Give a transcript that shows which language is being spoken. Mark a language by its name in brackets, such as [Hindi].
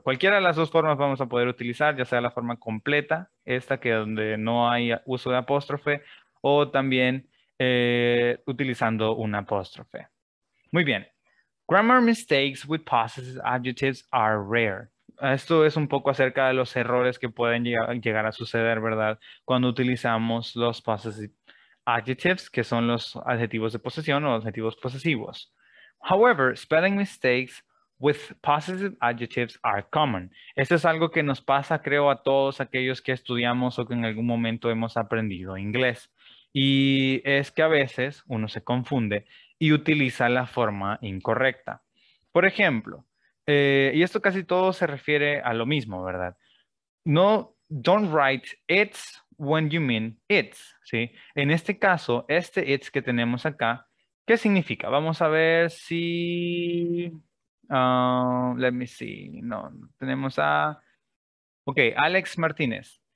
[Spanish] Cualquiera de las dos formas vamos a poder utilizar, ya sea la forma completa, esta que donde no hay uso de apóstrofe, o también utilizando un apóstrofe. Muy bien. [English] Grammar mistakes with possessive adjectives are rare. [Spanish] Esto es un poco acerca de los errores que pueden llegar a suceder, ¿verdad? Cuando utilizamos los possessive adjectives, que son los adjetivos de posesión o adjetivos posesivos. [English] However, spelling mistakes with possessive adjectives are common. [Spanish] Esto es algo que nos pasa, creo, a todos aquellos que estudiamos o que en algún momento hemos aprendido inglés. Y es que a veces uno se confunde y utiliza la forma incorrecta. Por ejemplo, y esto casi todo se refiere a lo mismo, ¿verdad? [English] No, don't write it's when you mean it's, ¿sí? [Spanish] En este caso, este it's que tenemos acá, ¿qué significa? Vamos a ver si, [English] let me see, [Spanish] no, tenemos a, ok, Alex Martínez.